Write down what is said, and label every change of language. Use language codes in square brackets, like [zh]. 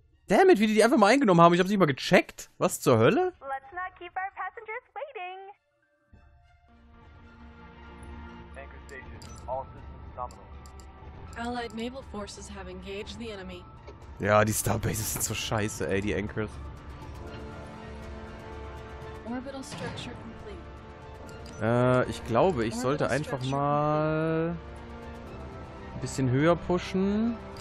[de] Damit, wie die einfach mal eingenommen haben. Ich hab's nicht mal gecheckt. Was zur Hölle? [en] Let's not keep our passengers waiting. Anchor station, all systems nominal. Allied naval forces have engaged the enemy. [de] Ja, die Starbases sind so scheiße, ey, die Anchors. [en] Orbital structure complete. [de] Ich glaube, ich sollte einfach mal ein bisschen höher pushen.